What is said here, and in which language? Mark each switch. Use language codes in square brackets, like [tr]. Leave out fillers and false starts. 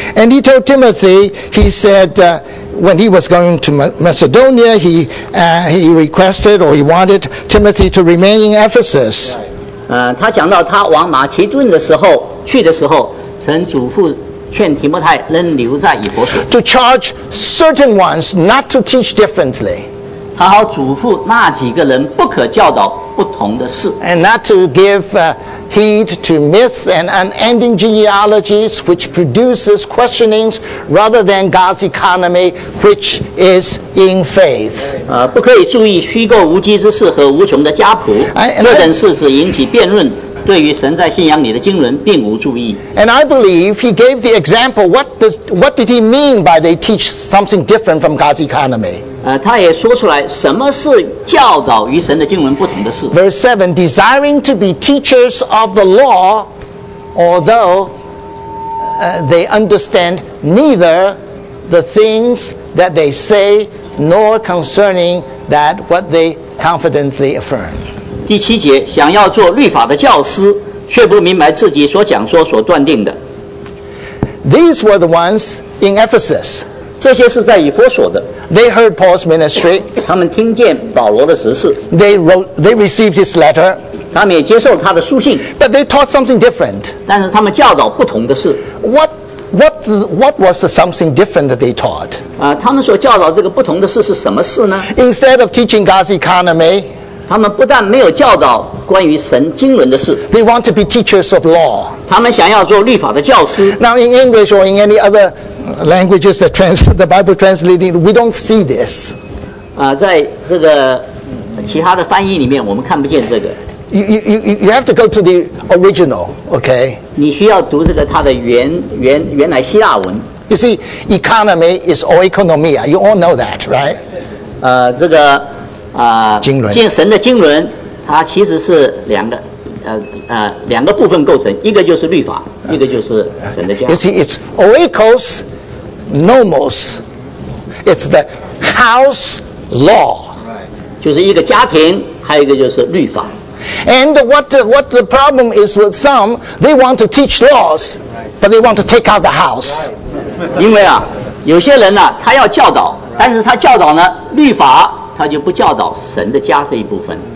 [en] And he told Timothy, he said,When he was going to Macedonia, he requested or he wanted Timothy to remain in Ephesus. [zh] 他讲到他往马其顿的时候去的时候，曾嘱咐劝提摩太仍留在以弗所。 [en] To charge certain ones not to teach differently. [zh] 他好嘱咐那几个人不可教导不同的事。 [en] And not to give heed to myths and unending genealogies which produces questionings rather than God's economy which is in faith. [zh] 不可以注意虚构无稽之事和无穷的家谱，这等事只引起辩论，对于神在信仰里的经纶并无注意。 [en] And I believe he gave the example, what did he mean by they teach something different from God's economy? [zh] 他也说出来什么是教导与神的经文不同的事。 [en] Verse 7, desiring to be teachers of the law, although they understand neither the things that they say nor concerning that what they confidently affirm. [zh] 第七节，想要做律法的教师，却不明白自己所讲说所断定的。 [en] These were the ones in Ephesus. [zh] 这些是在以弗所的。 [en] They heard Paul's ministry. [zh] 他们听见保罗的执事。 [en] They received his letter. [zh] 他们也接受他的书信。 [en] But they taught something different. [zh] 但是他们教导不同的事。 [en] What was the something different that they taught? [zh] 他们所教导这个不同的事是什么事呢？ [en] Instead of teaching God's economy, [zh] 他们不但没有教导关于神经纶的事。 [en] They want to be teachers of law. [zh] 他们想要做律法的教师。 [en] Now in English or in any other. Languages that the Bible translating, we don't see this. [zh] 在这个其他的翻译里面，我们看不见这个。 [en] You have to go to the original, okay? [zh] 你需要读这个它的原来希腊文。 [en] You see, economy is all economia. You all know that, right? [zh] 这个经纶，神的经纶，它其实是两个。两个部分构成，一个就是律法，一个就是神的家。 [en] You see, it's oikos nomos. It's the house law. [zh] 就是一个家庭，还有一个就是律法。 [en] And what the problem is with some, they want to teach laws, but they want to take out the house. [zh] 因为啊，有些人呢、啊，他要教导，但是他教导呢律法，他就不教导神的家这一部分。